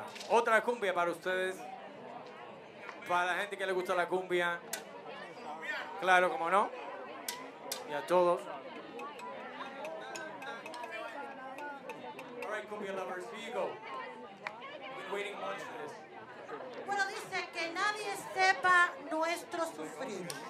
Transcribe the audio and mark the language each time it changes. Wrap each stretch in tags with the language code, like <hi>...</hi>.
<es>Otra cumbia para ustedes, para la gente que le gusta la cumbia, claro, como no, y a todos.</es> <en>All right, cumbia lovers, here you go. We've been waiting much for this.</en> <es>Bueno, dice que nadie sepa nuestro sufrir.</es>